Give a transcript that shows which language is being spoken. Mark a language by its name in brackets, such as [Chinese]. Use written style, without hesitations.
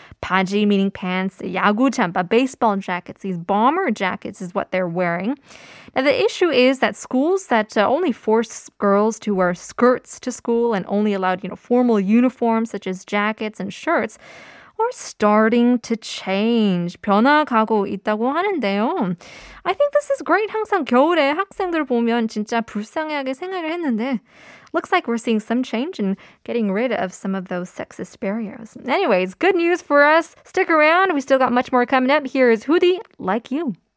[English] 바지 meaning pants, 야구 잠바, baseball jackets, these bomber jackets is what they're wearing. Now, the issue is that schools that only force girls to wear skirts to school and only allowed, you know, formal uniforms such as jackets and shirts are starting to change. [Korean] 변화가고 있다고 하는데요. [English] I think this is great. [Korean] 항상 겨울에 학생들 보면 진짜 불쌍하게 생각을 했는데 [English] looks like we're seeing some change and getting rid of some of those sexist barriers. Anyways, good news for us. Stick around. We still got much more coming up. Here is Hoodie, Like You.